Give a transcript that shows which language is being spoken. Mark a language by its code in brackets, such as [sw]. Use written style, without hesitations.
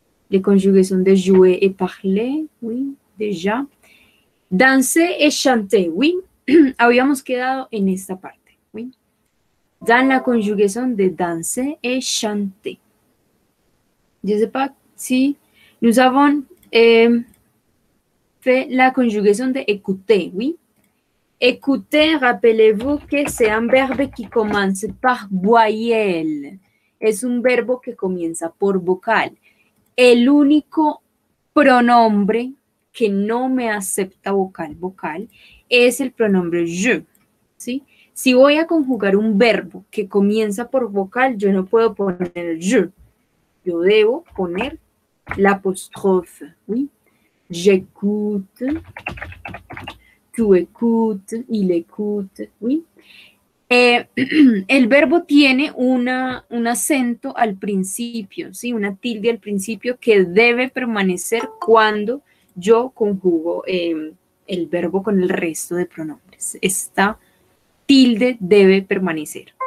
[fr] Les conjugaisons de jouer et parler, oui, déjà. Danser et chanter, oui. [es] Habíamos quedado en esta parte, ¿sí? Dan la conjugación de danse et chanter. [fr] Je sais pas si nous avons fait la conjugación de écouter, [es] ¿sí? [fr] Écouter, rappelez-vous que c'est un verbe qui commence par voyelle. [es] Es un verbo que comienza por vocal. El único pronombre que no me acepta vocal, vocal, es el pronombre je, ¿sí? Si voy a conjugar un verbo que comienza por vocal, yo no puedo poner je. Yo debo poner la apostrofe, ¿sí? [fr] J'écoute, tu écoutes, il écoute, [es] ¿sí? El verbo tiene un acento al principio, ¿sí? Una tilde al principio que debe permanecer cuando yo conjugo el verbo con el resto de pronombres. Esta tilde debe permanecer.